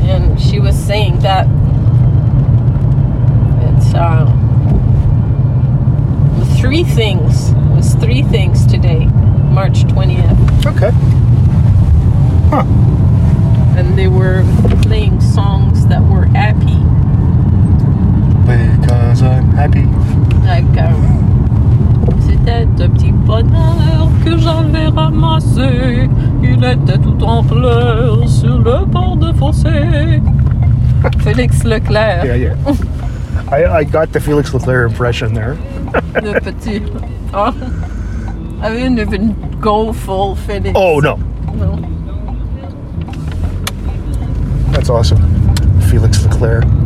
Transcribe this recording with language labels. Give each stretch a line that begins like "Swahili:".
English: And she was saying that it's three things today, March 20th. Okay. Huh. And they were playing songs that were happy. Because I'm happy.
French: Like, c'était un petit bonheur que j'avais ramassé. Il était tout en fleurs sur le bord de fossé. Félix Leclerc.
English: Yeah, yeah. I got the Félix Leclerc impression there.
French: Le petit.
English: Oh, I didn't even go full Félix. Oh, no. That's awesome. Félix Leclerc.